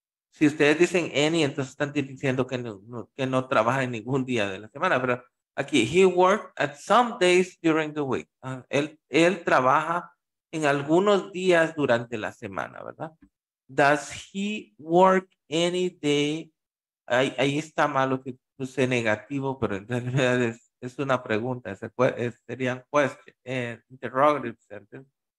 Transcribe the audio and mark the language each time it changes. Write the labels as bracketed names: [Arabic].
[Spanish] Si ustedes dicen any, entonces están diciendo que no trabaja en ningún día de la semana. Pero aquí, [English] he worked at some days during the week. [Spanish] Él trabaja en algunos días durante la semana, ¿verdad? [English] Does he work any day? [Spanish] Ahí está malo que puse negativo, pero en realidad es una pregunta, serían [English] question, interrogative sentence.